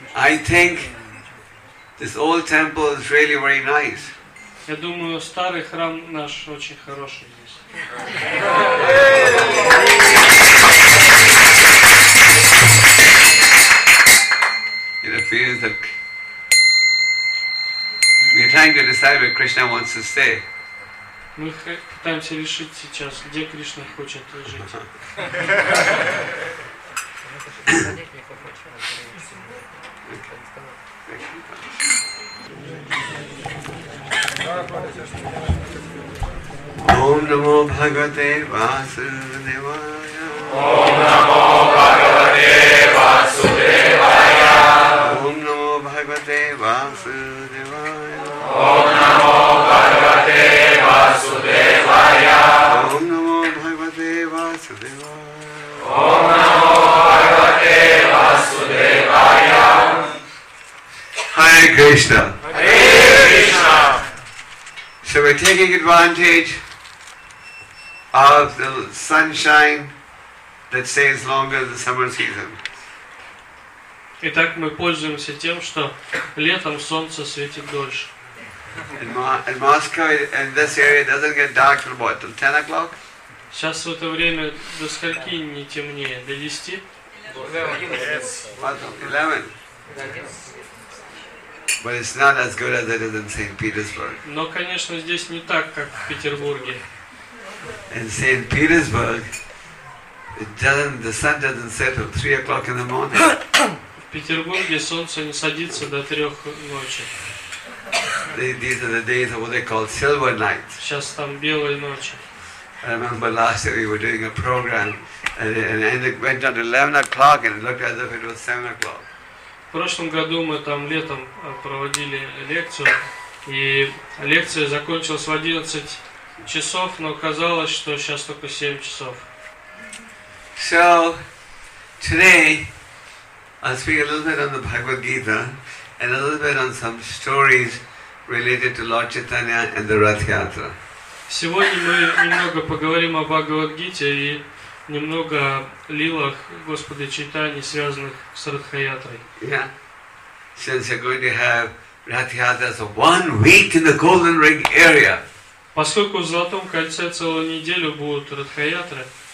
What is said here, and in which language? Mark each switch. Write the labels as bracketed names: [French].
[English] I think this old temple is really very nice. [Russian] Я думаю, старый храм наш очень хороший здесь. [English] It appears that we are trying to decide where Krishna wants to stay. [Russian] Мы пытаемся решить сейчас, где Кришна хочет жить. [Sanskrit] Ом намо Бхагавате Васудевая. Ом намо Бхагавате Васудевая. Ом намо Бхагавате Васудевая. Ом намо Бхагавате Васудевая. Ом намо Бхагавате Васудевая. Ом намо Бхагавате Васудевая. Hare Krishna. Hare Krishna. [English] So we're taking advantage of the sunshine that stays longer than the summer season. [Russian] Итак, мы пользуемся тем, что летом солнце светит дольше. [English] In Moscow, in this area, it doesn't get dark till what, till 10 o'clock? [Russian] Сейчас в это время до скольки не темнее? До 10? 11. 11. [English] But it's not as good as it is in St. Petersburg. [Russian] Но, конечно, здесь не так, как в Петербурге. [English] In St. Petersburg, the sun doesn't set till 3 o'clock in the morning. [Russian] В Петербурге солнце не садится до 3 ночи. [English] These are the days of what they call silver nights. [Russian] Сейчас там белые ночи. [English] I remember last year we were doing a program, and it went on 11 o'clock, and it looked as if it was 7 o'clock. [Russian] В прошлом году мы там летом проводили лекцию, и лекция закончилась в 11 часов, но казалось, что сейчас только 7 часов. [English] So today I'll speak a little bit on the Bhagavad Gita and a little bit on some stories related to Lord Chaitanya and the Rath Yatra. [Russian] Сегодня мы немного поговорим о Бхагавад-гите и немного о лилах Господа Чайтаньи, связанных с Радха-ятрой. [English] Yeah. Since you're going to have Радха-ятра for 1 week in the Golden Ring area. [Russian] Поскольку в Золотом кольце целую неделю будут Радха-ятры.